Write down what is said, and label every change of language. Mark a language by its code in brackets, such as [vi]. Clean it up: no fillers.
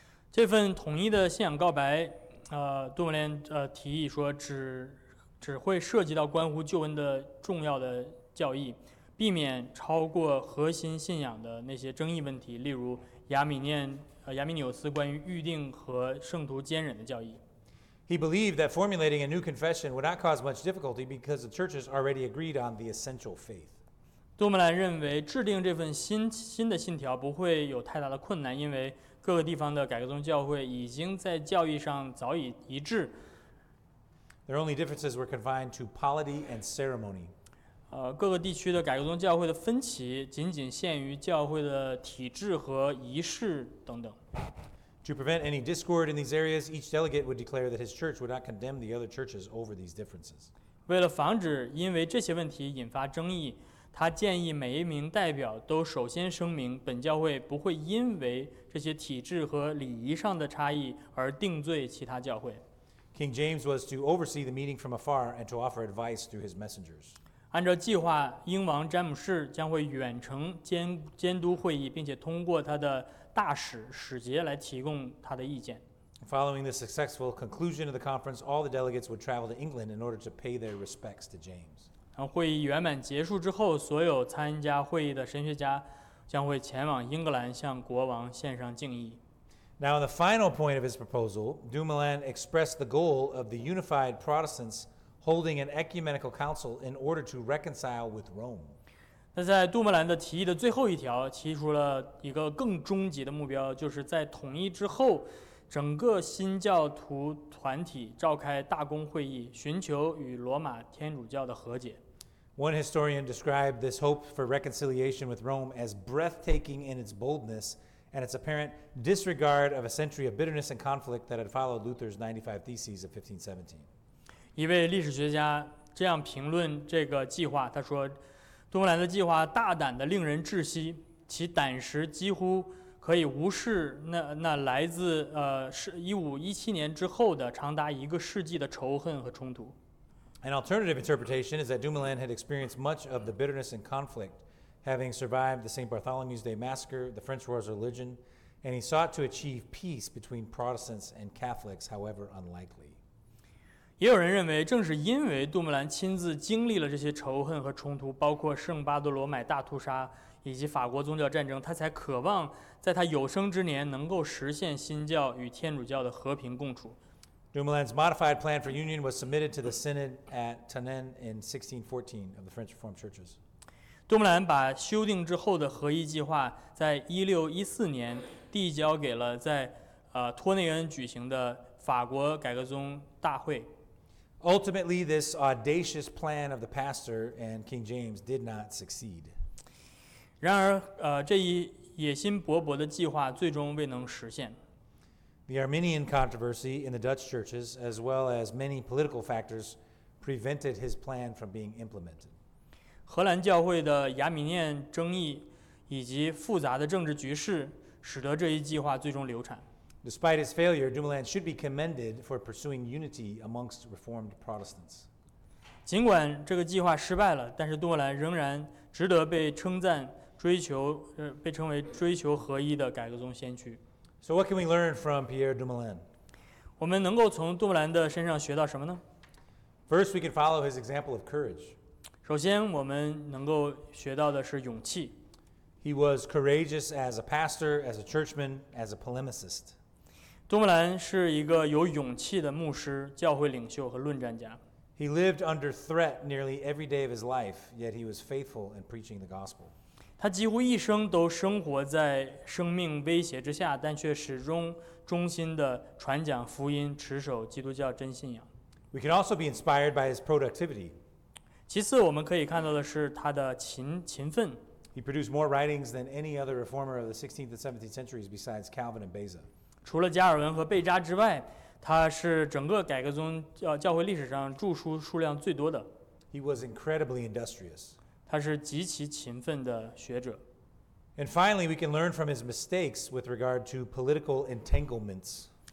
[zh] 这份统一的信仰告白杜莫连提议说只会涉及到关乎救恩的重要的教义，避免超过核心信仰的那些争议问题，例如亚米纽斯关于预定和圣徒坚忍的教义。 [en] He believed that formulating a new confession would not cause much difficulty because the churches already agreed on the essential faith. [zh] 杜莫兰认为制定这份新的信条不会有太大的困难，因为各个地方的改革宗教会已经在教义上早已一致。 [en] Their only differences were confined to polity and ceremony. [zh] 各个地区的改革宗教会的分歧仅仅限于教会的体制和仪式等等。 [en] To prevent any discord in these areas, each delegate would declare that his church would not condemn the other churches over these differences. [zh] 为了防止因为这些问题引发争议，他建议每一名代表都首先声明本教会不会因为这些体制和礼仪上的差异而定罪其他教会。 [en] King James was to oversee the meeting from afar and to offer advice through his messengers. [zh] 按照计划，英王詹姆士将会远程监督会议，并且通过他的大使使节来提供他的意见。 [en] Following the successful conclusion of the conference, all the delegates would travel to England in order to pay their respects to James. [zh] 会议圆满结束之后，所有参加会议的神学家将会前往英格兰向国王献上敬意。 [en] Now, in the final point of his proposal, Dumoulin expressed the goal of the unified Protestants holding an ecumenical council in order to reconcile with Rome. [zh] 那在杜莫兰的提议的最后一条，提出了一个更终极的目标，就是在统一之后，整个新教徒团体召开大公会议，寻求与罗马天主教的和解。 [en] One historian described this hope for reconciliation with Rome as breathtaking in its boldness and its apparent disregard of a century of bitterness and conflict that had followed Luther's 95 Theses of 1517. [zh] 一位历史学家这样评论这个计划，他说：“杜莫兰的计划大胆的令人窒息，其胆识几乎可以无视 那来自1517年之后的长达一个世纪的仇恨和冲突。” [en] An alternative interpretation is that Dumoulin had experienced much of the bitterness and conflict, having survived the St. Bartholomew's Day Massacre, the French Wars of Religion, and he sought to achieve peace between Protestants and Catholics, however unlikely. [zh] 也有人认为正是因为杜莫兰亲自经历了这些仇恨和冲突，包括圣巴多罗买大屠杀以及法国宗教战争，他才渴望在他有生之年能够实现新教与天主教的和平共处。 [en] Dumoulin's modified plan for union was submitted to the synod at Tannes in 1614 of the French Reformed Churches. [zh] 杜莫兰把修订之后的合议计划在1614年递交给了在托内恩举行的法国改革宗大会。 [en] Ultimately, this audacious plan of the pastor and King James did not succeed. [zh] 然而，这一野心勃勃的计划最终未能实现。 [en] The Arminian controversy in the Dutch churches, as well as many political factors, prevented his plan from being implemented. [zh] 荷兰教会的亚米念争议以及复杂的政治局势使得这一计划最终流产。 [en] Despite his failure, Dumoulin should be commended for pursuing unity amongst Reformed Protestants. [zh] 尽管这个计划失败了，但是杜莫兰仍然值得被称赞，追求被称为追求合一的改革宗先驱。 [en] So what can we learn from Pierre Dumoulin? [zh] 我们能够从杜莫兰的身上学到什么呢？ [en] First, we can follow his example of courage. [zh] 首先，我们能够学到的是勇气。 [en] He was courageous as a pastor, as a churchman, as a polemicist. [zh] 杜莫兰是一个有勇气的牧师、教会领袖和论战家。 [en] He lived under threat nearly every day of his life, yet he was faithful in preaching the gospel. [zh] 他几乎一生都生活在生命威胁之下，但却始终忠心地传讲福音，持守基督教真信仰。 [en] We can also be inspired by his productivity. [zh] 其次，我们可以看到的是他的勤奋。 [en] He produced more writings than any other reformer of the 16th and 17th centuries besides Calvin and Beza. [zh] 除了加尔文和贝扎之外，他是整个改革宗教会历史上著书数量最多的。 [en] He was incredibly industrious. [zh] 他是极其勤奋的学者。 [en] And finally, we can learn from his mistakes with regard to political entanglements.